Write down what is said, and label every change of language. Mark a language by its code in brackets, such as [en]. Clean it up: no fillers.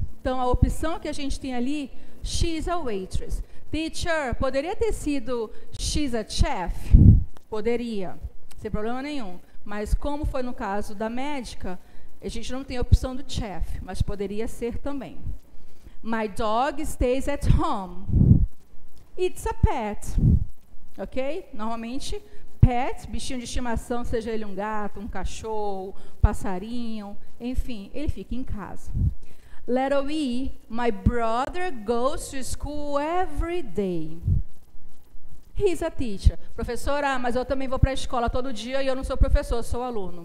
[pt] Então, a opção que a gente tem ali, [en] she's a waitress. [pt] Teacher, poderia ter sido, [en] she's a chef? [pt] Poderia, sem problema nenhum. Mas, como foi no caso da médica, a gente não tem a opção do chef, mas poderia ser também. [en] My dog stays at home. It's a pet. Ok? [pt] Normalmente, pet, bichinho de estimação, seja ele um gato, um cachorro, passarinho, enfim, ele fica em casa. [en] Letter E, my brother goes to school every day. He's a teacher. [pt] Professora, mas eu também vou para a escola todo dia e eu não sou professor, eu sou aluno.